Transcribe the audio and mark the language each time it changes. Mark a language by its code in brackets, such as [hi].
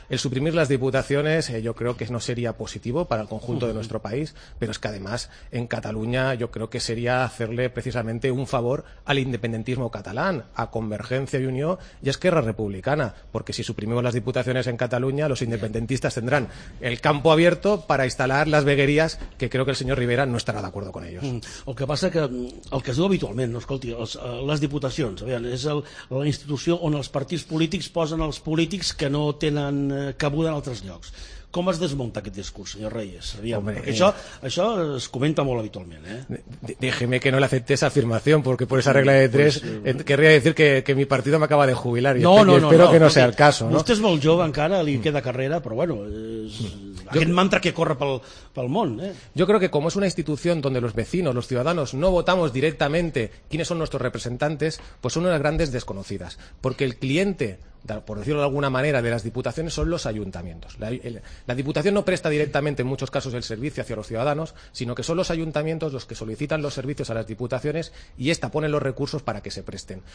[es] El suprimir las diputaciones yo creo que no sería positivo para el conjunto de nuestro país, pero es que además en Cataluña yo creo que sería hacerle precisamente un favor al independentismo catalán, a Convergencia y Unió y a Esquerra Republicana, porque si suprimimos las diputaciones en Cataluña, los independentistas tendrán el campo abierto para instalar las vegueries, que creo que [ca] el senyor Rivera no estarà d'acord amb ells. El que passa que el que es diu habitualment, no, escolti, les diputacions, a veure, és la institució on els partits polítics posen els polítics que no tenen cabuda en altres llocs. Com es desmunta aquest discurs, senyor Reyes? Això es comenta molt habitualment. [es] Déjeme que no le acepte esa afirmación, porque por esa regla de tres querría decir que mi partido me acaba de jubilar y espero que no sea el caso. [ca] Vostè és molt jove encara, li queda carrera, però bueno, és aquest mantra que corre pel món. [es] Yo creo que como es una institución donde los vecinos, los ciudadanos, no votamos directamente quiénes son nuestros representantes, pues son unas grandes desconocidas, porque el cliente, por decirlo de alguna manera, de las diputaciones son los ayuntamientos. La diputación no presta directamente en muchos casos el servicio hacia los ciudadanos, sino que son los ayuntamientos los que solicitan los servicios a las diputaciones y esta pone los recursos para que se presten.